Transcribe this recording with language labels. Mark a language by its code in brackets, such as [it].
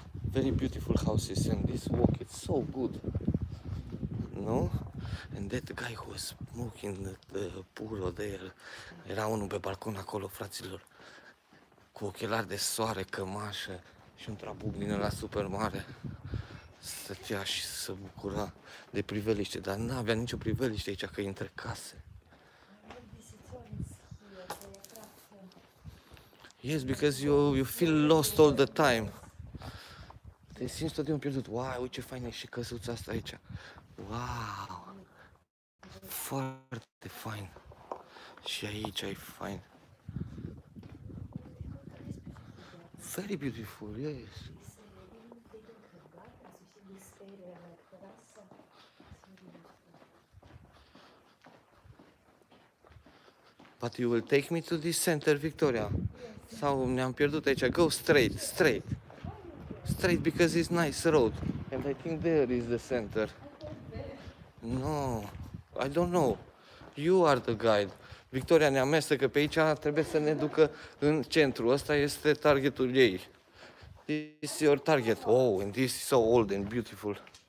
[en] Very beautiful houses and this walk, it's so good. No? And that guy who was smoking the puro there. [ro] Era unul pe balcon acolo, fraților. Cu ochelari de soare, cămașă și un trabuc din ăla super mare. Stătea și se bucura de priveliște, dar n-avea nicio priveliște aici, că e între case. [en] Yes, because you feel lost all the time. [ro] Te simți tot timpul pierdut. Wow, uite ce faină e și căsuța asta aici. Wow! Foarte fain. Și aici e fain. [en] Very beautiful, yes. But you will take me to this center, Victoria? Yes. [ro] Sau ne-am pierdut aici? [en] Go straight, straight. Straight because it's nice road. And I think there is the center. No, I don't know. You are the guide. [ro] Victoria ne amestecă pe aici, trebuie să ne ducă în centru. Asta este targetul ei. [en] This is your target. Oh, and this is so old and beautiful.